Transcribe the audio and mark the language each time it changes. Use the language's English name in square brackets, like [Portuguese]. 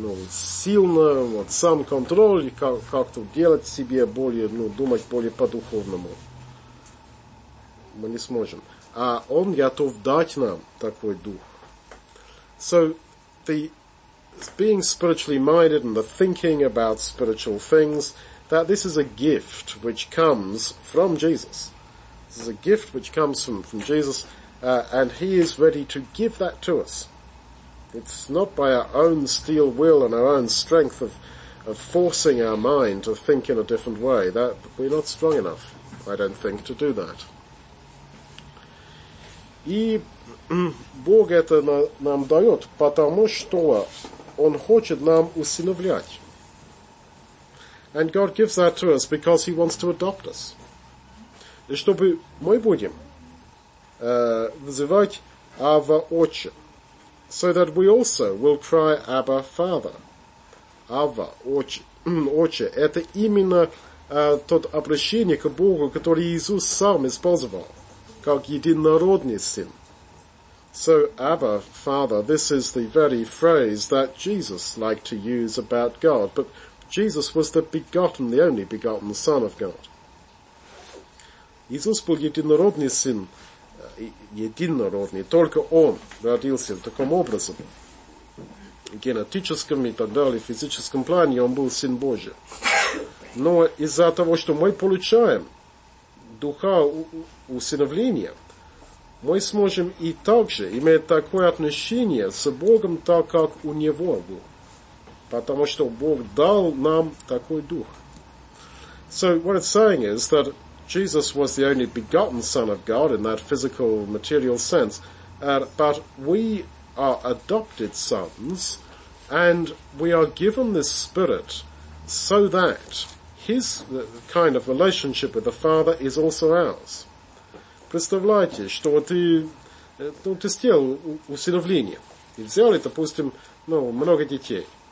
[Russian] сильно, вот, сам контроль, как-то делать себе более, ну, думать более по-духовному. Мы не сможем. А он готов дать нам такой дух. [English] So, the being spiritually minded and the thinking about spiritual things, that this is a gift which comes from Jesus. This is a gift which comes from Jesus, and he is ready to give that to us. It's not by our own steel will and our own strength of forcing our mind to think in a different way. That we're not strong enough, I don't think, to do that. [Russian] И Бог это нам дает, потому что Он хочет нам усыновлять. [English] And God gives that to us because He wants to adopt us. [Russian] И чтобы мы будем называть Ава Отче. [English] So that we also will cry Abba Father. [Russian] Ава Отче. Это именно тот обращение к Богу, который Иисус сам использовал. Как единородный сын. [English] So, Abba, Father, this is the very phrase that Jesus liked to use about God. But Jesus was the begotten, the only begotten Son of God. [Russian] Иисус был единородный сын, единородный, только Он родился в таком образом. Генетическом и так далее, в физическом плане Он был Сын Божий. Но из-за того, что мы получаем духа усыновления, мы сможем и также иметь такое отношение с Богом, так как у Него был. Потому что Бог дал нам такой дух. [English] So, what it's saying is that Jesus was the only begotten Son of God in that physical, material sense, but we are adopted sons, and we are given this Spirit so that His kind of relationship with the Father is also ours. [Russian] Представляете, что ты, ну, ты сделал усыновление и взял, допустим, ну, много детей.